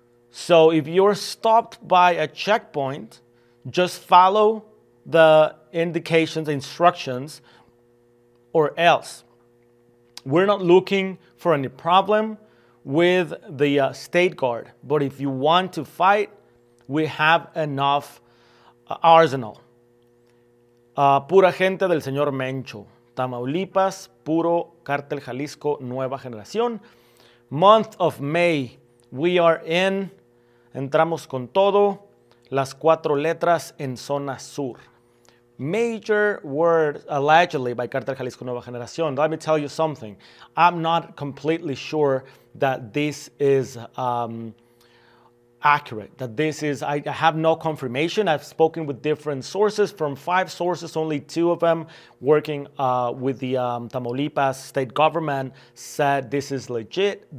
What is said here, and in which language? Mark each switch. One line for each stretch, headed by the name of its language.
English: So if you're stopped by a checkpoint, just follow the indications, instructions, or else. We're not looking for any problem with the state guard. But if you want to fight, we have enough arsenal.
Spanish: Pura gente del señor Mencho. Tamaulipas, puro cartel Jalisco, nueva generación.
English: Month of May, we are in.
Spanish: Entramos con todo. Las cuatro letras en zona sur.
English: Major words allegedly by Cartel Jalisco Nueva Generación. Let me tell you something. I'm not completely sure that this is accurate. That this is, I have no confirmation. I've spoken with different sources. From five sources, only two of them working with the Tamaulipas state government said this is legit.